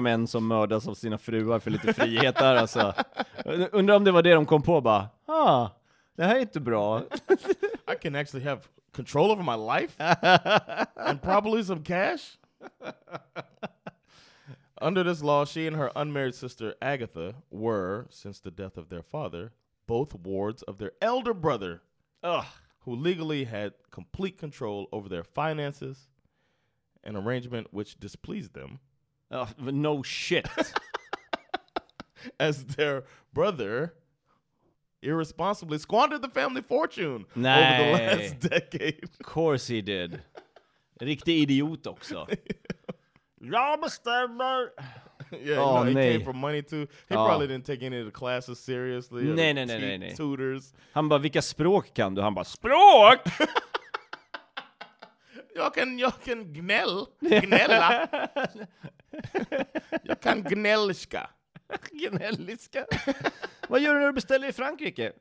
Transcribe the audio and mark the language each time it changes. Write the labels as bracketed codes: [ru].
[sv] män som mördas av sina fruar för lite frihet där. Alltså. Undrar om det var det de kom på bara. Ah, det här är inte bra. [en] I can actually have control over my life and probably some cash. Under this law, she and her unmarried sister, Agatha, were, since the death of their father, both wards of their elder brother, who legally had complete control over their finances, an arrangement which displeased them. No shit. As their brother irresponsibly squandered the family fortune over the last decade. Of course he did. [sv] Riktig idiot också. Jag bestämmer. [en] Yeah, oh, no, he came for money too. He probably didn't take any of the classes seriously. [sv] Nej. [en] Tutors. [sv] Han bara, vilka språk kan du? Han bara, språk! jag kan gnäll. Gnälla. Jag kan gnälliska. Gnälliska? Vad gör du när du beställer i Frankrike?